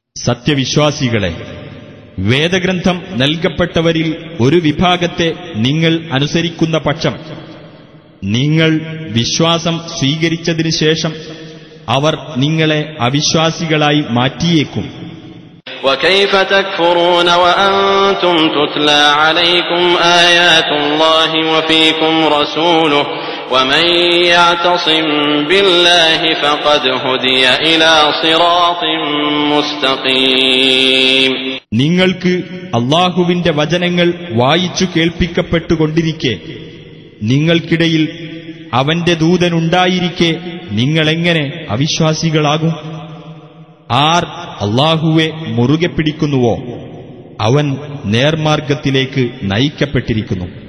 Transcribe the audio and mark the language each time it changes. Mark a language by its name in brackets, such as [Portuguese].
[Malayalam] സത്യവിശ്വാസികളെ, വേദഗ്രന്ഥം നൽകപ്പെട്ടവരിൽ ഒരു വിഭാഗത്തെ നിങ്ങൾ അനുസരിക്കുന്ന പക്ഷം നിങ്ങൾ വിശ്വാസം സ്വീകരിച്ചതിനു ശേഷം അവർ നിങ്ങളെ അവിശ്വാസികളായി മാറ്റിയേക്കും. [Arabic] وكيف تكفرون وأنتم تتلى عليكم آيات الله وفيكم رسوله ومن يعتصم بالله فقد هدي إلى صراط مستقيم. [Malayalam] നിങ്ങൾക്ക് അല്ലാഹുവിന്റെ വചനങ്ങൾ വായിച്ചു കേൾപ്പിക്കപ്പെട്ടുകൊണ്ടിരിക്കെ നിങ്ങൾക്കിടയിൽ അവന്റെ ദൂതൻ ഉണ്ടായിരിക്കെ നിങ്ങൾ എങ്ങനെ അവിശ്വാസികളാകും? ആർ അല്ലാഹുവെ മുറുകെ പിടിക്കുന്നുവോ അവൻ നേർമാർഗത്തിലേക്ക് നയിക്കപ്പെട്ടിരിക്കുന്നു.